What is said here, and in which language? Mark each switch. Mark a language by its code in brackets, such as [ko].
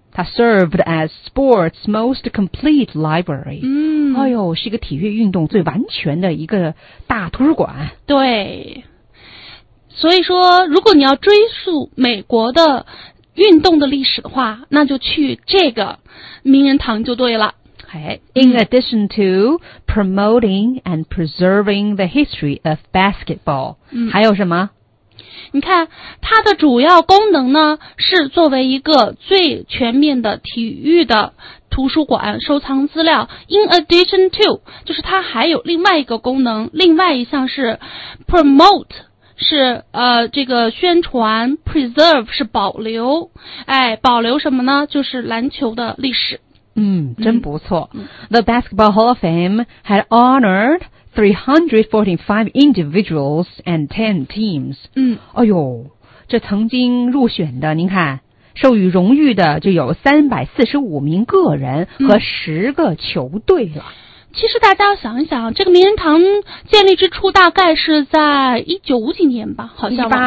[en] 它 served as sport's most complete library。嗯， [zh] 哎呦，是一个体育运动最完全的一个大图书馆。对，所以说如果你要追溯美国的运动的历史的话，那就去这个名人堂就对了。 [en] In addition to promoting and preserving the history of basketball、嗯、 [zh] 还有什么？你看它的主要功能呢是作为一个最全面的体育的图书馆收藏资料。 [en] In addition to [zh] 就是它还有另外一个功能，另外一项是 promote 是这个宣传 preserve 是保留，哎，保留什么呢？就是篮球的历史。嗯，真不错。 [en] The Basketball Hall of Fame had honored 345 individuals and 10 teams. 嗯， [zh] 哎呦，这曾经入选的，您看，授予荣誉的就有345名个人和10个球队了。嗯，其实大家要想一想，这个名人堂建立之初大概是在1950几年吧，好像